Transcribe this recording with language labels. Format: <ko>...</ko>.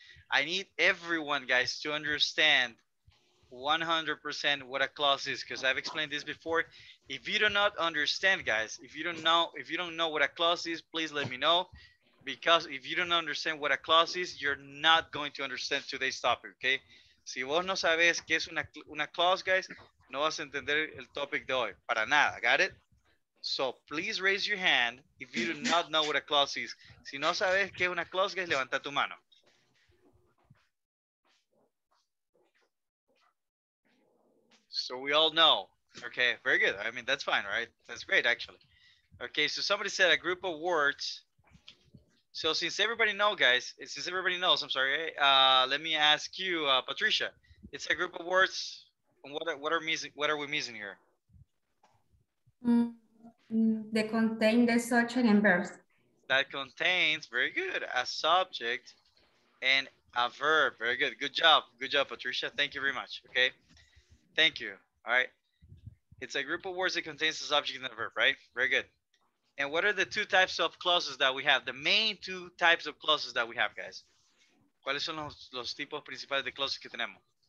<en>I need everyone, guys, to understand 100% what a clause is, because I've explained this before. If you do not understand, guys, if you don't know what a clause is, please let me know. Because if you don't understand what a clause is, you're not going to understand today's topic, okay?</en> <es>Si vos no sabes qué es una clause, guys, no vas a entender el topic de hoy. Para nada,</es> <en>got it? So please raise your hand if you do not know what a clause is.</en> <es>Si no sabes qué es una clause, guys, levanta tu mano.</es> <en>So we all know, okay? Very good. I mean, that's fine, right? That's great, actually. Okay, so somebody said a group of words. So since everybody knows, I'm sorry, let me ask you, Patricia, it's a group of words, and what are we missing here? They contain the subject and verbs. That contains, very good, a subject and a verb. Very good. Good job, Patricia. Thank you very much. Okay. Thank you. All right. It's a group of words that contains the subject and the verb, right? Very good. And what are the two types of clauses that we have? The main two types of clauses that we have, guys.</en> <es>¿Cuáles son los tipos principales de clauses que tenemos?</es>